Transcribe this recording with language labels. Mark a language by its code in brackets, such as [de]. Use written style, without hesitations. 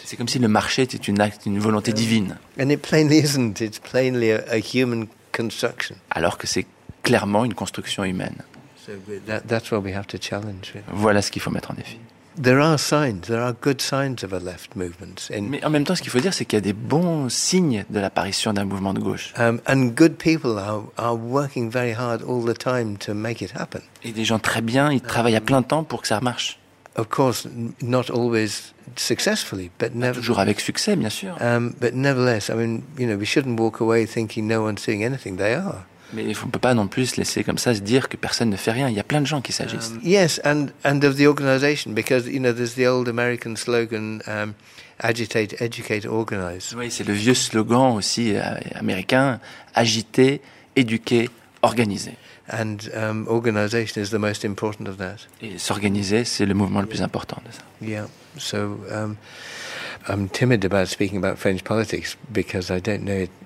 [fr] C'est comme si le marché était une volonté divine. [en] And it plainly isn't. It's plainly a human construction. [fr] Alors que c'est clairement une construction humaine. [en] So that's what we have to challenge. [fr] Voilà ce qu'il faut mettre en défi. [en] There are signs. There are good signs of a left movement. [fr] Mais en même temps, ce qu'il faut dire, c'est qu'il y a des bons signes de l'apparition d'un mouvement de gauche. [en] And good people are working very hard all the time to make it happen. [fr] Et des gens très bien, ils travaillent à plein temps pour que ça marche. [en] Of course, not always successfully, but never. [fr] Toujours avec succès, bien sûr. [en] But nevertheless, I mean, you know, we shouldn't walk away thinking no one's seeing anything. They are. [fr] Mais on ne peut pas non plus laisser comme ça se dire que personne ne fait rien. Il y a plein de gens qui s'agissent. [en] Yes, and of the organization, because you know there's the old American slogan, agitate, educate, organize. [fr] Oui, c'est le vieux slogan aussi américain, agiter, éduquer, organiser. [en] And organization is the most important of that. [fr] Et s'organiser, c'est le mouvement le plus important de ça. [en] Yeah, so I'm timid about speaking about French politics because I don't know it.